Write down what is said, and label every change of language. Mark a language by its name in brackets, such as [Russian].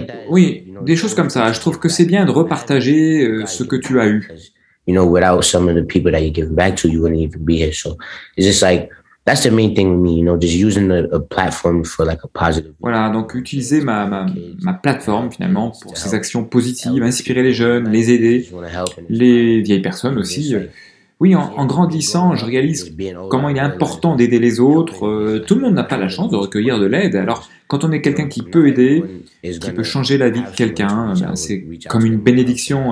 [French] Oui, des choses comme ça. Je trouve que c'est bien de repartager ce que tu as eu. [English] You know, without some of the people that you give back to, you wouldn't even be here. So it's just like, that's the main thing with me, you know, just using a platform for like a positive. [French] Voilà, donc utiliser ma plateforme finalement pour ces actions positives, inspirer les jeunes, les aider, les vieilles personnes aussi. Oui, en grandissant, je réalise comment il est important d'aider les autres. Tout le monde n'a pas la chance de recueillir de l'aide. Alors, quand on est quelqu'un qui peut aider, qui peut changer la vie de quelqu'un, ben, c'est comme une bénédiction.